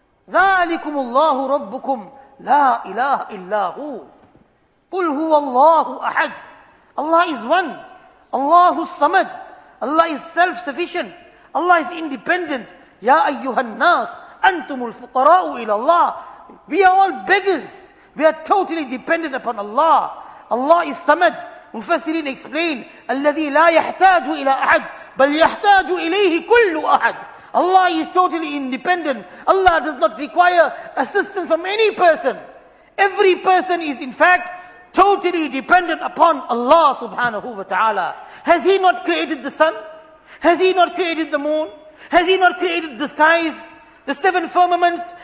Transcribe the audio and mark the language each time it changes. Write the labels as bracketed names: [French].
[Arabic] ذَلِكُمُ اللَّهُ رَبُّكُمْ لَا إِلَهَ إِلَّا هُوْ قُلْ هُوَ اللَّهُ أَحَدْ. [English] Allah is one. Allahu samad. Allah is self-sufficient. Allah is independent. [Arabic] يَا أَيُّهَا النَّاسِ أَنْتُمُ الْفُقَرَاءُ إِلَى اللَّهِ. [English] We are all beggars. We are totally dependent upon Allah. Allah is samad. Mufassirin explain, [Arabic] الَّذِي لَا يَحْتَاجُ إِلَى أَحَدْ بَلْ يَحْتَاجُ إِلَيْهِ كُلُّ أَحَدْ. [English] Allah is totally independent. Allah does not require assistance from any person. Every person is in fact totally dependent upon Allah subhanahu wa ta'ala. Has He not created the sun? Has He not created the moon? Has He not created the skies, the seven firmaments?